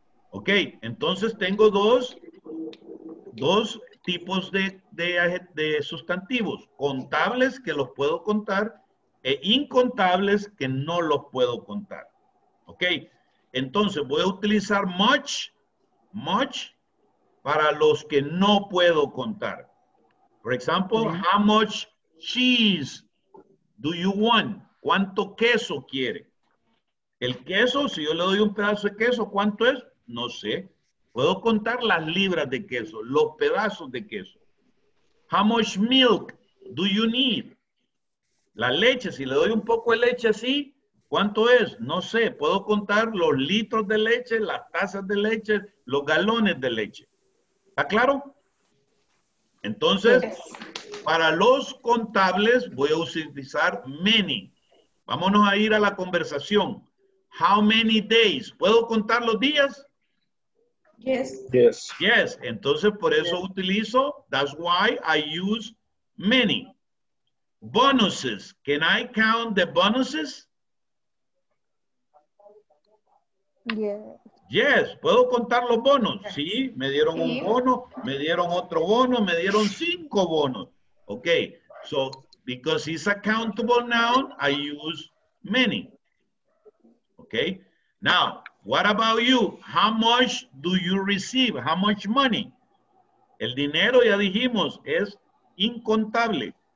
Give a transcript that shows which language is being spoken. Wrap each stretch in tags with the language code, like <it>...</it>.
<es>Ok, entonces tengo dos tipos de sustantivos. Contables, que los puedo contar, e incontables, que no los puedo contar. Ok, entonces voy a utilizar much para los que no puedo contar.</es> <en>For example, how much cheese do you want?</en> <es>¿Cuánto queso quiere? El queso, si yo le doy un pedazo de queso, ¿cuánto es? No sé. Puedo contar las libras de queso, los pedazos de queso.</es> <en>How much milk do you need?</en> <es>La leche, si le doy un poco de leche así, ¿cuánto es? No sé. Puedo contar los litros de leche, las tazas de leche, los galones de leche. ¿Está claro? Entonces, para los contables, voy a utilizar many. Vámonos a ir a la conversación.</es> <en>How many days?</en> <es>¿Puedo contar los días?</es> <en>Yes.</en> <es>Entonces, por eso utilizo,</es> <en>that's why I use many. Bonuses. Can I count the bonuses? Yes.</en> <es>¿Puedo contar los bonos?</es> <en>Yes.</en> <es>Sí, me dieron un bono, me dieron otro bono, me dieron 5 bonos.</es> <en>Okay, so because it's a countable noun, I use many. Okay, now, what about you? How much do you receive? How much money?</en> <es>El dinero, ya dijimos, es incontable.</es>